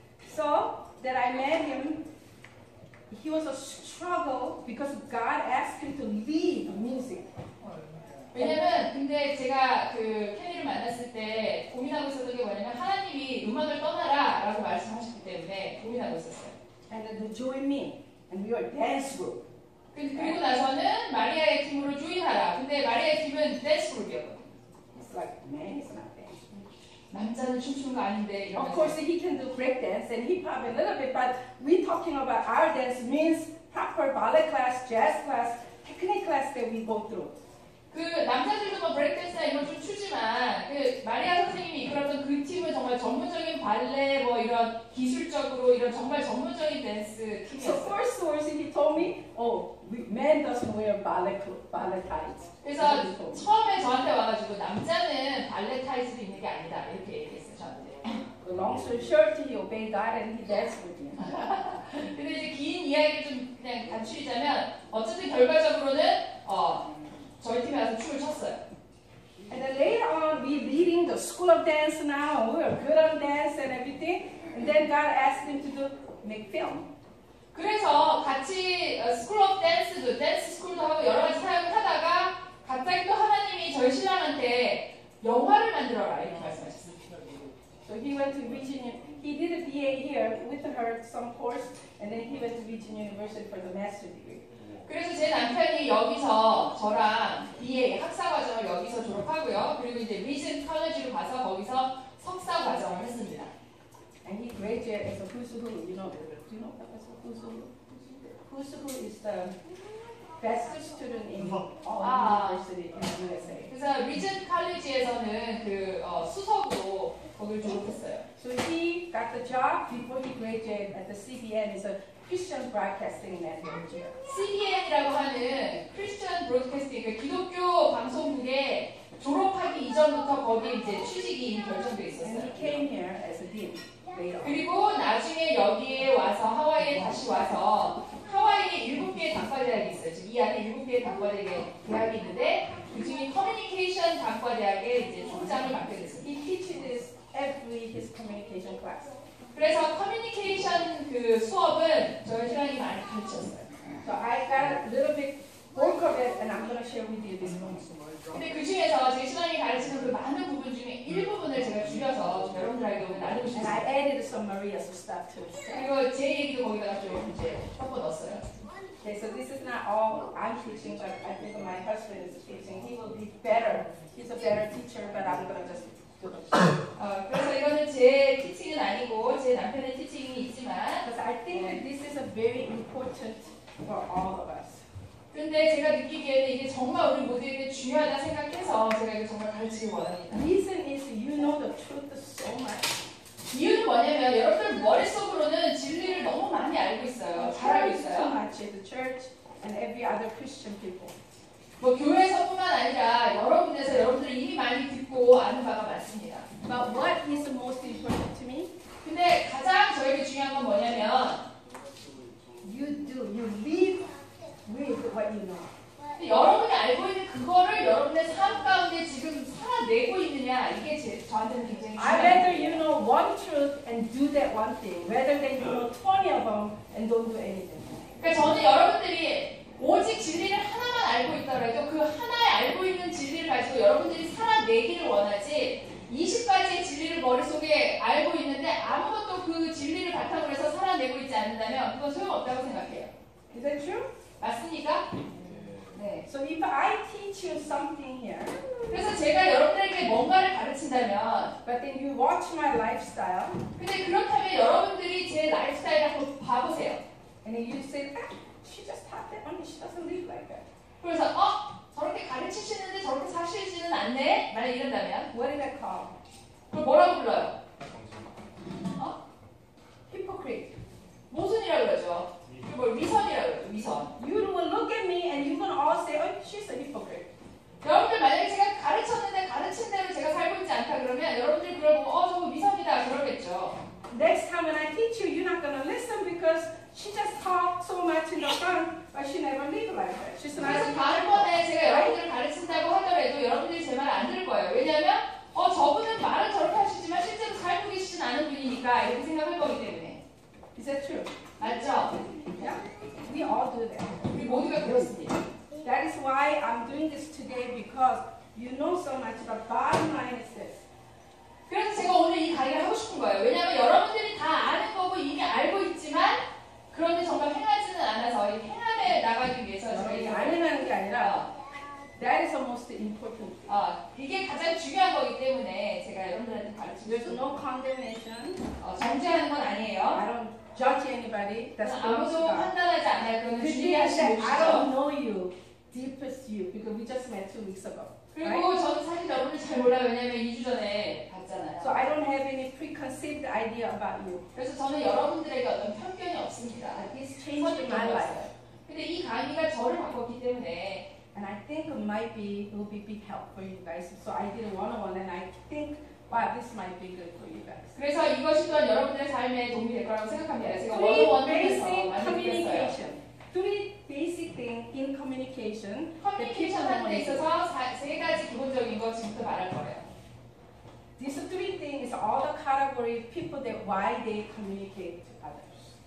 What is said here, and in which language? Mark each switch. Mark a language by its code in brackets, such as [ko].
[en] So that I met him, he was a struggle because God asked him to leave music. [ko] 왜냐면 근데 제가 그 케니를 만났을 때 고민하고 있었던 게 뭐냐면 하나님이 음악을 떠나라라고 말씀하셨기 때문에 고민하고 있었어요. [en] And then join me and we are dance group. [ko] 그리고 나서는 마리아의 팀으로 조인하라. 근데 마리아의 팀은 dance group이었거든요. [en] It's like man is not dance. [ko] 남자는 춤추는 거 아닌데. [en] Of course he can do break dance and hip hop a little bit, but we talking about our dance means proper ballet class, jazz class, technique class that we go through. [ko] 그 남자들도 뭐 브레이크댄스나 이런 좀 추지만 그 마리아 선생님이 이끌었던 그 팀은 정말 전문적인 발레 뭐 이런 기술적으로 이런 정말 전문적인 댄스 팀이었어요. [en] So first of all, he told me, oh, men doesn't wear ballet tights. [ko] 그래서 처음에 저한테 와가지고 남자는 발레 타이즈를 입는 게 아니다 이렇게 얘기했어요 저한테. [en] Long sleeve shirt, he obeyed God and he danced with him. [ko] 근데 이제 긴 이야기를 좀 그냥 단추리자면 어쨌든 결과적으로는 저희 팀이 와서 춤을 췄어요. [en] And then later on, we leading the school of dance now. We are good on dance and everything. And then God asked him to do make film. [ko] 그래서 같이 [en] school of dance [ko] 도 dance school도 하고 여러 가지 사역을 하다가 갑자기 또 하나님이 저희 신랑한테 영화를 만들어라 이렇게 말씀하셨어요. [en] So he went to Virginia. He did a BA here with her some course, and then he went to Virginia University for the master's degree. [ko] 그래서 제 남편이 여기서 저랑 BA 학사 과정을 여기서 졸업하고요. 그리고 이제 리즌 칼리지로 가서 거기서 석사 과정을 했습니다. [en] And he graduated as a who's who, you know, do you know that as a who's who? Who's who is the best student in all university in USA. [ko] 그래서 리즌 칼리지에서는 그 수석으로 거기를 졸업했어요. [en] So he got the job before he graduated at the CBN. So Christian Broadcasting Network. [ko] CBN이라고 하는 Christian Broadcasting, 기독교 방송국에 졸업하기 이전부터 거기 이제 취직이 결정돼 있었어요. [en] And he came here as a dean. [ko] 그리고 나중에 여기에 와서 하와이에 다시 와서 하와이에 일곱 개의 단과대학이 있어요. 지금 이 안에 일곱 개의 단과대학의 대학이 있는데 그 중에 커뮤니케이션 단과대학의 이제 총장을 맡게 됐어요. [en] He teaches every his communication class. [ko] 그래서 커뮤니케이션 그 수업은 저희 신랑이 많이 가르쳤어요. [en] So I got a little bit bulk of and I'm going to share with you this one. [ko] 근데 그 중에서 제 신앙이 가르치는 그 많은 부분 중에 일부분을 제가 줄여서 여러분들에게 나누고 싶습니다. [en] And I added some Maria's stuff too. [ko] 그리고 제 얘기도 거기다가 좀 이제 섞어 넣었어요. [en] Okay, so this is not all I'm teaching, but I think my husband is teaching. He will be better. He's a better teacher, but I'm going to just do it. [ko] 그래서 이거는 제 티칭은 아니고 제 남편의 티칭이 있지만 [en] Because I think that this is a very important for all of us. [ko] 근데 제가 느끼기에는 이게 정말 우리 모두에게 중요하다 생각해서 제가 이거 정말 가르치기 원합니다. [en] Reason is you know the truth so much. [ko] 이유는 뭐냐면 여러분들 머릿속으로는 진리를 너무 많이 알고 있어요. 잘 알고 있어요. [en] Too much, the church and every other Christian people. [ko] 뭐 교회에서뿐만 아니라 여러 군데서 여러분들 이미 많이 듣고 아는 바가 많습니다. [en] But what is most important to me? [ko] 근데 가장 저에게 중요한 건 뭐냐면 [en] you do, you live with what you know. [ko] 여러분이 알고 있는 그거를 여러분의 삶 가운데 지금 살아내고 있느냐 이게 제, 저한테는 굉장히 중요한 [en] I'd rather you know one truth and do that one thing rather than you know 20 of them and don't do anything. [ko] 그러니까 저는 여러분들이 오직 진리를 하나만 알고 있더라도 그 하나의 알고 있는 진리를 가지고 여러분들이 살아내기를 원하지 20가지의 진리를 머릿속에 알고 있는데 아무것도 그 진리를 바탕으로 해서 살아내고 있지 않는다면 그건 소용없다고 생각해요. [en] Is that true? [ko] 맞습니까? [en] So if I teach you something here, [ko] 그래서 제가 여러분들에게 뭔가를 가르친다면, [en] but then you watch my lifestyle. [ko] 근데 그렇다면 여러분들이 제 라이프스타일을 한번 봐보세요. [en] And you say, ah, she just taught that only she doesn't live like that. [ko] 그래서 어 저렇게 가르치시는데 저렇게 사시지는 않네. 만약 이런다면, [en] what is that called? [ko] 그걸 뭐라고 불러요? [en] 어? Hypocrite. [ko] 모순이라고 그러죠. 뭐 위선이라고 위선. [en] You will look at me and you will all say, "Oh, she's a hypocrite." [ko] 여러분들 만약에 제가 가르쳤는데 가르친 대로 제가 살고 있지 않다 그러면 여러분들 그걸 보고 어, 저거 위선이다 그러겠죠. [en] Next time when I teach you, you're not gonna listen because she just talk so much in the front, but she never live like that. She's not. [ko] 그래서 다음번에 제가 여러분들 가르친다고 하더라도 여러분들이 제 말 안 들을 거예요. 왜냐하면 어 저분은 말은 저렇게 하시지만 실제로 살고 계시진 않은 분이니까 이렇게 생각할 거기 때문에. [en] Is that true? [ko] 맞죠? [en] Yeah? We all do that. [ko] 우리 모두가 그렇습니다. [en] That is why I'm doing this today because you know so much but bottom line is this. [ko] 그래서 제가 오늘 이 강의를 하고 싶은 거예요. 왜냐하면 여러분들이 다 아는 거고 이미 알고 있지만 그런데 정말 행하지는 않아서 이 행함에 나가기 위해서 제가 이 아는 게 아니라 [en] That is the most important. [ko] 아, 이게 가장 중요한 거기 때문에 제가 여러분들한테 가르치고 싶어요. [en] There's no condemnation. [ko] 정죄하는 건 아니에요. [en] I don't judge anybody. That's the most [ko] God. 아무도 판단하지 않아요. 그건 준비하시는 것이죠. [en] I don't know you, deepest you, because we just met 2 weeks ago. [ko] 그리고 [en] right? [ko] 저는 사실 여러분을 잘 몰라요. 왜냐하면 2주 전에 봤잖아요. [en] So I don't have any preconceived idea about you. [ko] 그래서 저는 여러분들에게 어떤 편견이 없습니다. [en] This changed my life. [ko] 근데 이 강의가 저를 바꿨기 때문에 [en] And I think it might be, it will be big help for you guys. So I did a one-on-one and I think Wow, this might be good for you guys. [ko] 그래서 이것이 또한 여러분들의 삶에 도움이 될 거라고 생각합니다. 제가 [en] 3 basic communication. 3 basic things in communication. [ko] 커뮤니케이션 하는 데 있어서 3가지 기본적인 거 지금부터 말할 거예요. [en] These 3 things is all the category of people that why they communicate to others.